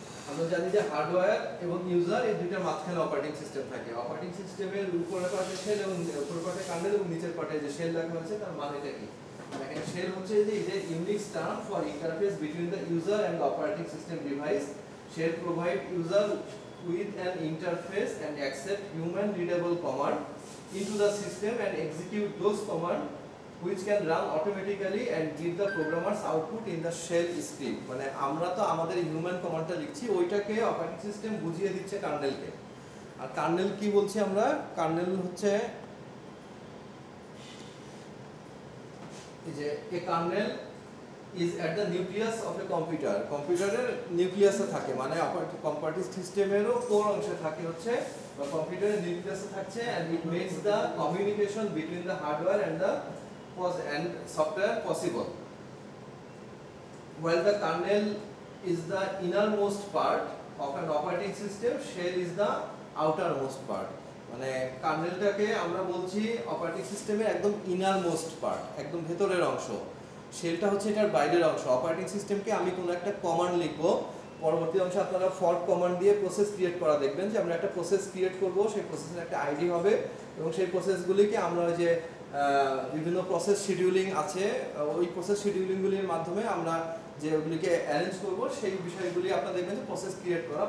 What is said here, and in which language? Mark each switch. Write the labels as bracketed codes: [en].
[bn] আমরা জানি যে হার্ডওয়্যার এবং ইউজার এই দুইটার মাঝখানে অপারেটিং সিস্টেম থাকে। অপারেটিং সিস্টেমের উপরের পাটে শেল এবং উপরের পাটে কার্নেল এবং নিচের পাটে যে শেল লেখা আছে তার মানেটা কি? দেখেন শেল হচ্ছে যে যে [en] Unix term for interface between the user and operating system device. Shell provide user with an interface and accept human readable command into the system and execute those command which can run automatically and give the programmer's output in the shell script. [bn] মানে আমরা তো আমাদের human commandটা লিখছি, ওইটাকে operating system বুঝিয়ে দিচ্ছে কার্নেলকে। আর kernel কি বলছি আমরা? কার্নেল হচ্ছে যে এ kernel [en] is at the nucleus of a computer. [bn] কম্পিউটারের নিউক্লিয়াসে থাকে, মানে কম্পিউটার সিস্টেমেরও কোর অংশে থাকে হচ্ছে, বা কম্পিউটারের নিউক্লিয়াসে থাকছে, [en] and it makes the communication between the hardware and the software possible. While the kernel is the innermost part of an operating system, shell is the outermost part. [bn] মানে কার্নেলটাকে আমরা বলছি অপারেটিং সিস্টেমের একদম innermost part, একদম ভেতরের অংশ। শেলটা হচ্ছে এটার বাইরের অংশ। অপারেটিং সিস্টেমকে আমি কোনো একটা কমান্ড লিখবো, পরবর্তী অংশে আপনারা ফর্ক কমান্ড দিয়ে প্রসেস ক্রিয়েট করা দেখবেন যে আমরা একটা প্রসেস ক্রিয়েট করবো, সেই প্রসেসের একটা আইডি হবে এবং সেই প্রসেসগুলিকে আমরা যে বিভিন্ন প্রসেস শিডিউলিং আছে ওই প্রসেস শিডিউলিংগুলির মাধ্যমে আমরা যে ওগুলিকে অ্যারেঞ্জ করবো সেই বিষয়গুলি আপনারা দেখবেন যে প্রসেস ক্রিয়েট করা।